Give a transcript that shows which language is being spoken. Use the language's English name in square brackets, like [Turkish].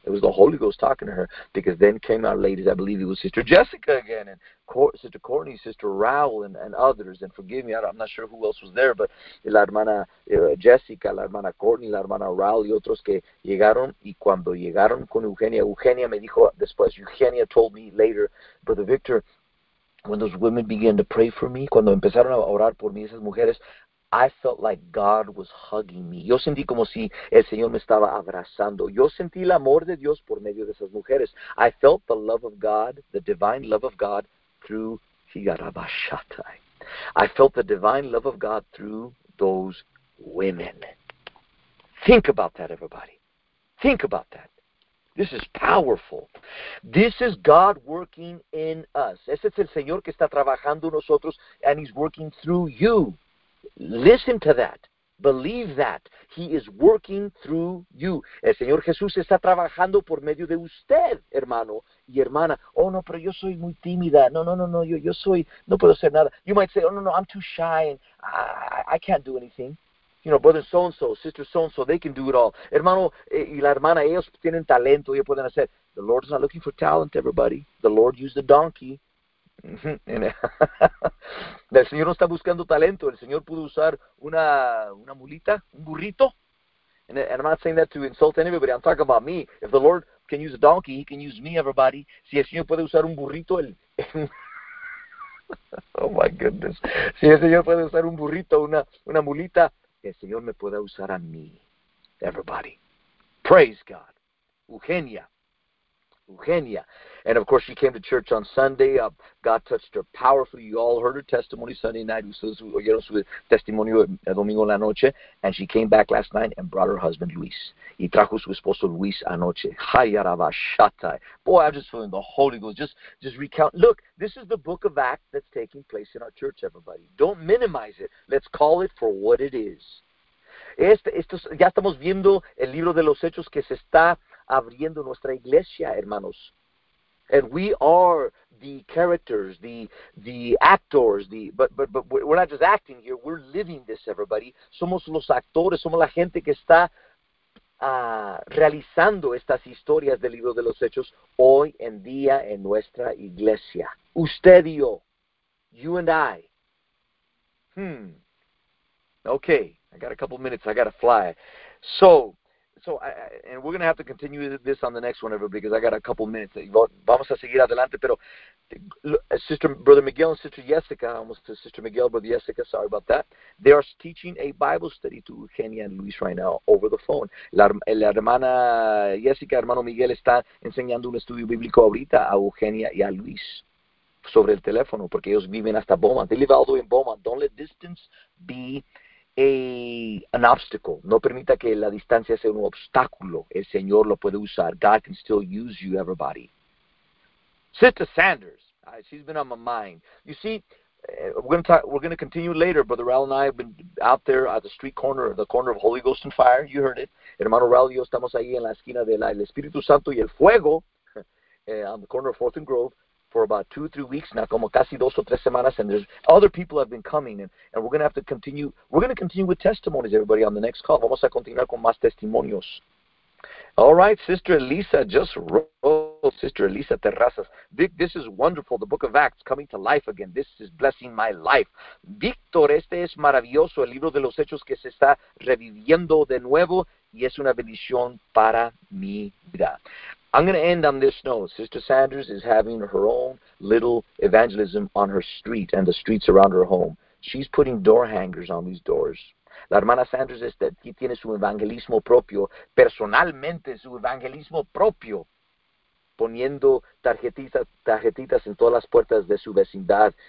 [English] It was the Holy Ghost talking to her, because then came our ladies, I believe it was Sister Jessica again, and Sister Courtney, Sister Raul, and others, and forgive me, I'm not sure who else was there, but [Spanish] la hermana Jessica, la hermana Courtney, la hermana Raul, y otros que llegaron, y cuando llegaron con Eugenia me dijo después, [English] Eugenia told me later, Brother Victor, when those women began to pray for me, [Spanish] cuando empezaron a orar por mí esas mujeres, [English] I felt like God was hugging me. [Spanish] Yo sentí como si el Señor me estaba abrazando. Yo sentí el amor de Dios por medio de esas mujeres. [English] I felt the love of God, the divine love of God, through Higarabashatai. I felt the divine love of God through those women. Think about that, everybody. Think about that. This is powerful. This is God working in us. [Spanish] Ese es el Señor que está trabajando en nosotros, [English] and He's working through you. Listen to that. Believe that. He is working through you. [Spanish] El Señor Jesús está trabajando por medio de usted, hermano y hermana. Oh, no, pero yo soy muy tímida. No. No puedo hacer nada. [English] You might say, oh, no, I'm too shy, and I can't do anything. You know, brother so-and-so, sister so-and-so, they can do it all. [Spanish] Hermano y la hermana, ellos tienen talento, ellos pueden hacer. [English] The Lord is not looking for talent, everybody. The Lord used a donkey. [Spanish] El Señor no está buscando talento. El Señor pudo usar una mulita, un burrito. [English] And I'm not saying that to insult anybody. I'm talking about me. If the Lord can use a donkey, He can use me, everybody. [Spanish] Si el Señor puede usar un burrito, el... [English] oh, my goodness. [Spanish] Si el Señor puede usar un burrito, una mulita... que el Señor me pueda usar a mí. [English] Everybody. Praise God. Eugenia. And of course, she came to church on Sunday. God touched her powerfully. You all heard her testimony Sunday night. [Spanish] Oyeron su testimonio el domingo la noche. [English] And she came back last night and brought her husband, Luis. [Spanish] Y trajo su esposo, Luis, anoche. Hayarabashatai. [English] Boy, I'm just feeling the Holy Ghost. Just recount. Look, this is the book of Acts that's taking place in our church, everybody. Don't minimize it. Let's call it for what it is. [Spanish] Ya estamos viendo el libro de los hechos que se está abriendo nuestra iglesia, hermanos. [English] And we are the characters, the actors, but we're not just acting here, we're living this, everybody. [Spanish] Somos los actores, somos la gente que está realizando estas historias del libro de los hechos hoy en día en nuestra iglesia. Usted y yo, [English] you and I. Okay, I got a couple minutes, I got to fly. So, we're going to have to continue this on the next one, everybody, because I got a couple minutes. [Spanish] Vamos a seguir adelante, pero Sister, Brother Miguel and Sister Jessica, almost to Sister Miguel, Brother Jessica, [English] sorry about that. They are teaching a Bible study to Eugenia and Luis right now over the phone. [Spanish] La hermana Jessica, hermano Miguel, está enseñando un estudio bíblico ahorita a Eugenia y a Luis sobre el teléfono, porque ellos viven hasta Beaumont. [English] They live all the way in Beaumont. Don't let distance be an obstacle. [Spanish] No permita que la distancia sea un obstáculo. El Señor lo puede usar. [English] God can still use you, everybody. Sister Sanders, she's been on my mind. You see, we're going to continue later. Brother Raul and I have been out there at the street corner, the corner of Holy Ghost and Fire. You heard it. [Spanish] Hermano Raul y yo estamos ahí en la esquina del Espíritu Santo y el Fuego, [English] on the corner of 4th and Grove. For about 2 or 3 weeks now, [Spanish] como casi dos o tres semanas, [English] and there's other people have been coming, and we're going to have to continue. We're going to continue with testimonies, everybody, on the next call. [Spanish] Vamos a continuar con más testimonios. [English] All right, Sister Elisa just wrote, Sister Elisa Terrazas. This is wonderful. The Book of Acts coming to life again. This is blessing my life. Victor, [Spanish] este es maravilloso. El libro de los hechos que se está reviviendo de nuevo, y es una bendición para mi vida. [English] I'm going to end on this note. Sister Sanders is having her own little evangelism on her street and the streets around her home. She's putting door hangers on these doors. [Spanish] La hermana Sanders es que tiene su evangelismo propio, personalmente su evangelismo propio, poniendo tarjetitas en todas las puertas de su vecindad.